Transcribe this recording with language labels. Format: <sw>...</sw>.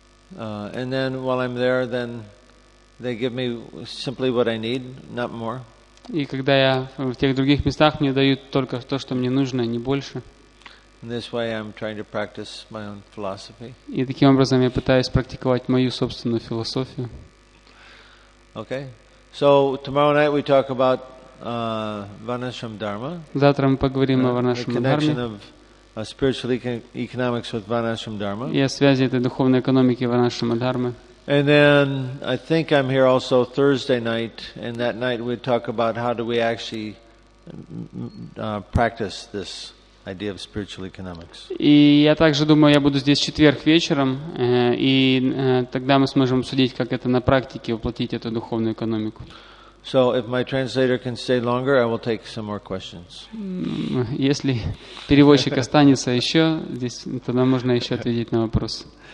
<ru>И когда я в тех других местах, мне дают только то, что мне нужно, не больше. И таким образом я пытаюсь практиковать мою собственную философию.</ru> <en>Okay. So tomorrow night we talk about Varnashram Dharma.</en> <ru>Завтра мы поговорим о Варнашрам Дхарме.</ru> <en>Connection of spiritual economics with Varnashram Dharma.</en> <ru>И о связи этой духовной экономики Варнашрама Дхармы.</ru> <en>And then I think I'm here also Thursday night, and that night we talk about how do we actually practice this. Idea of spiritual economics.</en> <ru>И я также думаю, я буду здесь четверг вечером, и тогда мы сможем обсудить, как это на практике воплотить эту духовную экономику.</ru> <en>So if my translator can stay longer, I will take some more questions.</en> <ru>Если переводчик останется еще здесь, тогда можно еще ответить на вопрос.</ru>